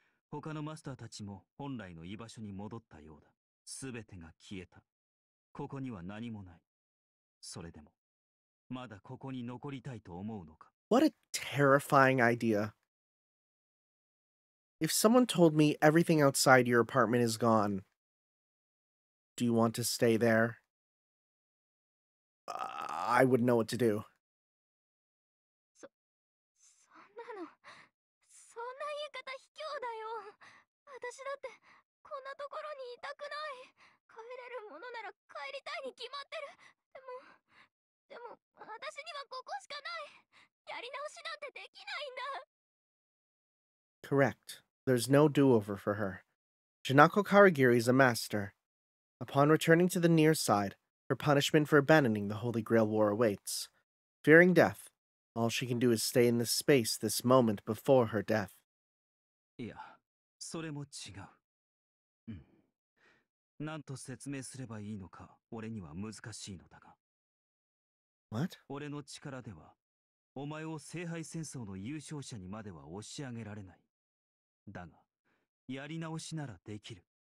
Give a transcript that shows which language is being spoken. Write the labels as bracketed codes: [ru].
[ja] 他のマスターたちも本来の居場所に戻ったようだ。すべてが消えた。ここには何もない。それでも、まだここに残りたいと思うのか。 [en] What a terrifying idea. If someone told me everything outside your apartment is gone, do you want to stay there? I wouldn't know what to do. [ja] そんな言い方卑怯だよ。私だってこんなところにいたくない。帰れるものなら帰りたいに決まってる。でも私にはここしかない。やり直しなんてできないんだ。 [en] Correct. There's no do-over for her. Junako Karagiri is a master. Upon returning to the near side, her punishment for abandoning the Holy Grail war awaits. Fearing death, all she can do is stay in this space this moment before her death. [ja] いや、それも違う。うん。なんと説明すればいいのか、俺には難しいのだが。 [en] What? [ja] 俺の力では、お前を聖杯戦争の優勝者にまでは押し上げられない。だが、やり直しならできる。